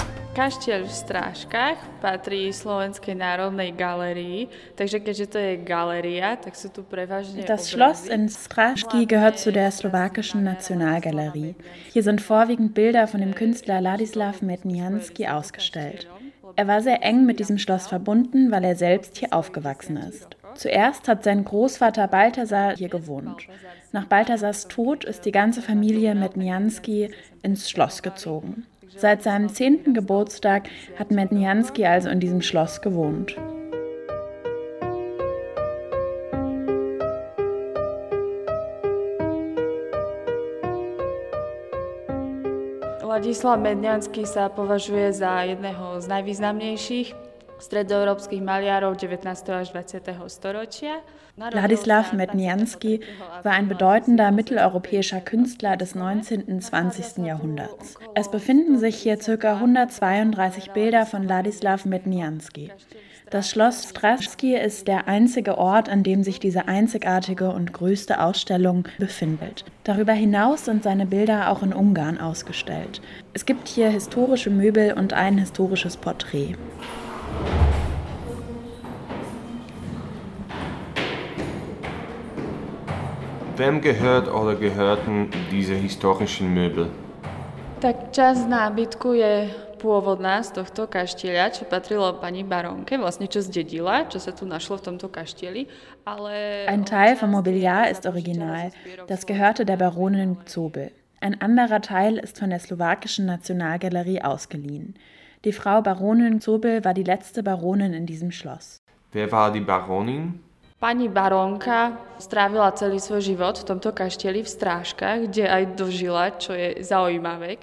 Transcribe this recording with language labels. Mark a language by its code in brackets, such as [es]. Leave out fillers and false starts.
[sk] Kaštieľ v Strážkach patrí Slovenskej národnej galerii, takže keďže to je galeria, tak sú tu prevažne obrazy. [de] Das Schloss in Strážky gehört zu der slowakischen Nationalgalerie. Hier sind vorwiegend Bilder von dem Künstler Ladislav Medniansky ausgestellt. Er war sehr eng mit diesem Schloss verbunden, weil er selbst hier aufgewachsen ist. Zuerst hat sein Großvater Balthasar hier gewohnt. Nach Balthasars Tod ist die ganze Familie Medniansky ins Schloss gezogen. Seit seinem 10. Geburtstag hat Medniansky also in diesem Schloss gewohnt. [sk] Ladislav Medniansky sa považuje za jedného z najvýznamnejších stredoeurópskych maliarov 19. až 20. storočia. [de] Ladislav Medniansky war ein bedeutender mitteleuropäischer Künstler des 19. und 20. Jahrhunderts. Es befinden sich hier ca. 132 Bilder von Ladislav Medniansky. Das Schloss Strašky ist der einzige Ort, an dem sich diese einzigartige und größte Ausstellung befindet. Darüber hinaus sind seine Bilder auch in Ungarn ausgestellt. Es gibt hier historische Möbel und ein historisches Porträt. [en] Thank you. [de] Wem gehört oder gehörten diese historischen Möbel? [sk] Tak časť nábytku je pôvodná z tohto kaštieľa, čo patrilo pani baronke, vlastne čo zdedila, čo sa tu našlo v tomto kaštieli. Ale [de] ein Teil vom Mobiliar ist original. Das gehörte der Baronin Zobel. Ein anderer Teil ist von der slowakischen Nationalgalerie ausgeliehen. Die Frau Baronin Zobel war die letzte Baronin in diesem Schloss. Wer war die Baronin? [sk] Pani baronka strávila celý svoj život v tomto kaštieli v Strážkach, kde aj dožila, čo je zaujímavé.